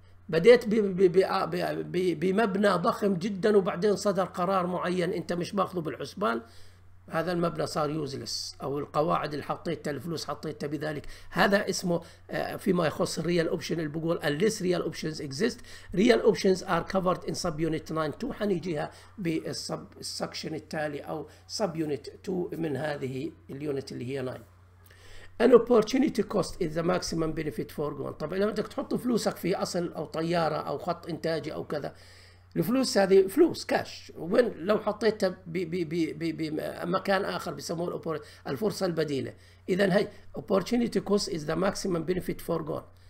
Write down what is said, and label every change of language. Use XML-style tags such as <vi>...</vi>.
<ar>بديت بمبنى ضخم جدا، وبعدين صدر قرار معين انت مش باخذه بالحسبان، هذا المبنى صار يوزلس، او القواعد اللي حطيتها الفلوس حطيتها بذلك. هذا اسمه فيما يخص الريال اوبشن، اللي بقول</ar> <en>unless real options exist real options are covered in subunit 9</en> <ar>2، حنيجيها بالسب السكشن التالي او سب يونت 2 من هذه اليونت اللي هي 9.</ar> <en>An opportunity cost is the maximum benefit foregone.</en> <ar>طب لما بدك تحط فلوسك في اصل او طياره او خط انتاجي او كذا، الفلوس هذه فلوس كاش، وين لو حطيتها بمكان اخر بيسموه الفرصه البديله. اذا هي</ar> <en>opportunity cost is the maximum benefit foregone.</en>